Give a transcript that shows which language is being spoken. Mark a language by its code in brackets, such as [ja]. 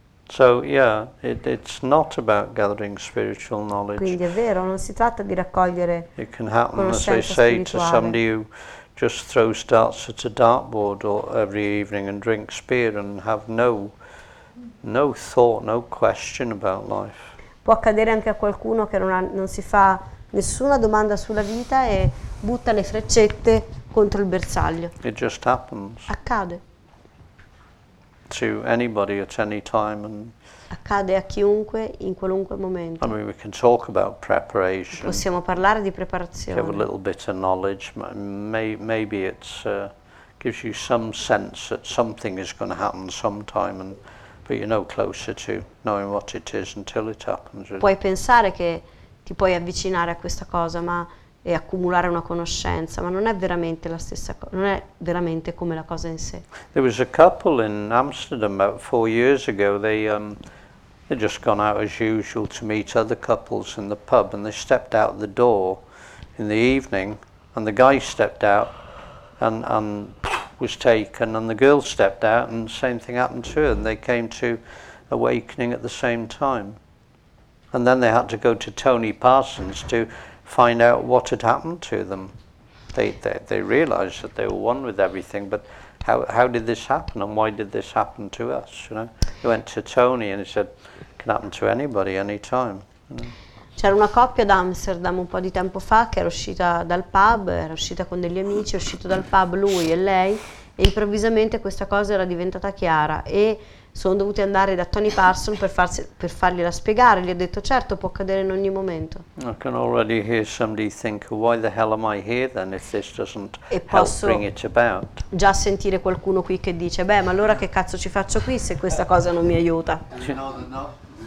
[en] So yeah, it's not about gathering spiritual knowledge. [it] Quindi è vero, non si tratta di raccogliere. [en] It can happen, as they say, to somebody who just throws darts at a dartboard or every evening and drinks beer and have no thought, no question about life. [it] Può accadere anche a qualcuno che non si fa nessuna domanda sulla vita e butta le freccette contro il bersaglio. [en] It just happens. [it] Accade. [en] To anybody at any time and [it] accade a chiunque in qualunque momento. [en] I mean, we can talk about preparation. [it] Possiamo parlare di preparazione. [en] You have a little bit of knowledge, maybe it's gives you some sense that something is going to happen sometime, and but you're no closer to knowing what it is until it happens. [it] Puoi pensare che ti puoi avvicinare a questa cosa, ma e accumulare una conoscenza, ma non è veramente la stessa cosa, non è veramente come la cosa in sé. [en] There was a couple in Amsterdam about 4 years ago. They just gone out as usual to meet other couples in the pub, and they stepped out the door in the evening, and the guy stepped out and was taken, and the girl stepped out, and the same thing happened to her, and they came to awakening at the same time. And then they had to go to Tony Parsons to find out what had happened to them. They realized that they were one with everything, but how did this happen and why did this happen to us? You know, he went to Tony and he said, "Can happen to anybody, anytime." You know? [it] C'era una coppia ad Amsterdam un po' di tempo fa che era uscita dal pub, era uscita con degli amici, è uscito dal pub lui e lei, e improvvisamente questa cosa era diventata chiara e sono dovuti andare da Tony Parson per fargliela spiegare. Gli ho detto, certo, può accadere in ogni momento. [en] I can already hear somebody think, why the hell am I here then if this doesn't help bring it about? [it] E posso già sentire qualcuno qui che dice, beh, ma allora che cazzo ci faccio qui se questa cosa non mi aiuta?